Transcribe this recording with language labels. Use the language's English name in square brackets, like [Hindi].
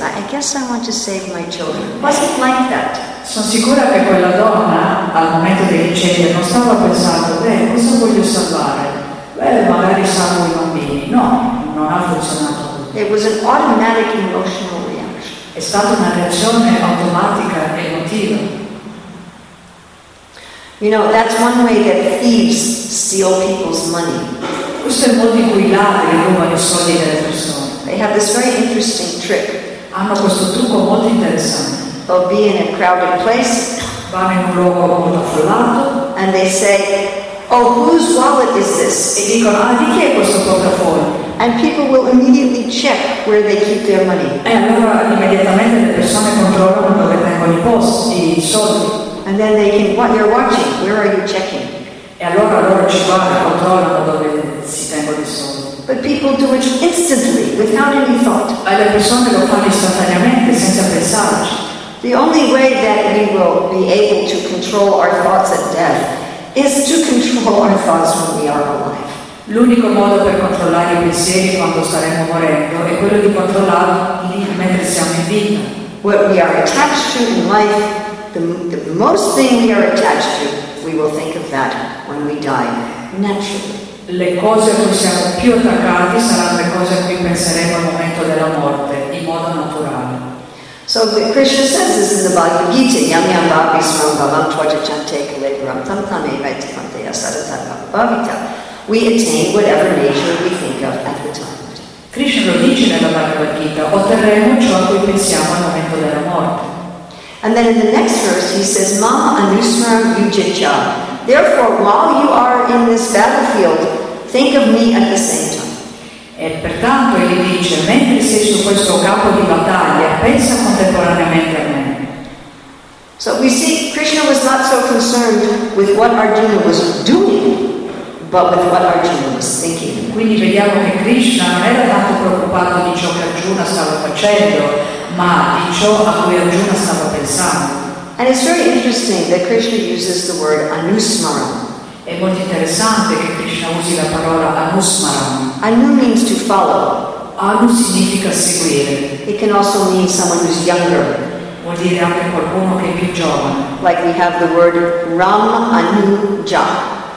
[English] I guess I want to save my children. Was it like that? [Italian] Sono sicura che quella donna, al momento dell'incendio, non stava pensando, cosa voglio salvare? Magari salvo i bambini. No, non ha funzionato. [English] It was an automatic emotional reaction. [Italian] È stata una reazione automatica e emotiva. [English] You know, that's one way that thieves steal people's money. [Italian] Questo è il modo in cui i ladri rubano i soldi delle persone. [English] They have this very interesting trick. [Italian] Hanno questo trucco molto interessante. [English] They'll be in a crowded place. [Italian] Vanno in un luogo molto affollato. [English] And they say, oh, whose wallet is this? [Italian] E dicono, ah, di chi è questo portafoglio? [English] And people will immediately check where they keep their money. [Italian] E allora immediatamente le persone controllano dove tengono i posti, i soldi. [English] And then they can, what you're watching, where are you checking? [Italian] E allora loro ci guardano, controllano dove si tengono i soldi. [English] But people do it instantly, without any thought. [Italian] E le persone lo fanno istantaneamente, senza pensarci. [English] The only way that we will be able to control our thoughts at death is to control our thoughts when we are alive. [Italian] L'unico modo per controllare i pensieri quando saremo morendo è quello di controllarli mentre siamo in vita. [English] What we are attached to in life, the most thing we are attached to, we will think of that when we die, naturally. [Italian] Le cose a cui siamo più attaccati saranno le cose a cui penseremo al momento della morte, in modo naturale. [English] So Krishna says this in the Bhagavad Gita, [Sanskrit] yam yam bhavi svam bhavam tvaja chante kalegram tam tame vaita panteya sadatata bhavita. [English] We attain whatever nature we think of at the time. [Italian] Krishna lo dice nella Bhagavad Gita, otterremo ciò a cui pensiamo al momento della morte. [English] And then in the next verse he says, [Sanskrit] ma anusmaram yujitya. [English] Therefore, while you are in this battlefield, think of me at the same time. [Italian] E pertanto egli dice, mentre sei su questo campo di battaglia, pensa contemporaneamente a me. [English] So we see Krishna was not so concerned with what Arjuna was doing, but with what Arjuna was thinking. [Italian] Quindi vediamo che Krishna non era tanto preoccupato di ciò che Arjuna stava facendo, ma di ciò a cui Arjuna stava pensando. [English] And it's very interesting that Krishna uses the word anusmaram. [Italian] È molto interessante che Krishna usi la parola anusmaram. [English] Anu means to follow. [Italian] Anu significa seguire. [English] It can also mean someone who's younger. [Italian] Vuol dire anche qualcuno che è più giovane. [English] Like we have the word ram anu ja.